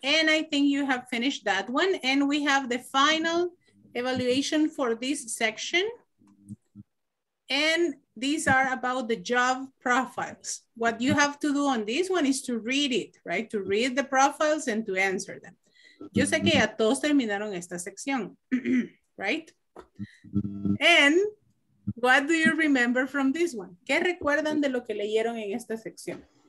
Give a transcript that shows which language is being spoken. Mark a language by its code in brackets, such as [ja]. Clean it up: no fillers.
[en] And I think you have finished that one. And we have the final evaluation for this section. And these are about the job profiles. What you have to do on this one is to read it, right? To read the profiles and to answer them. [es] Yo sé que ya todos terminaron esta sección, [en] right? And what do you remember from this one? [es] ¿Qué recuerdan de lo que leyeron en esta sección?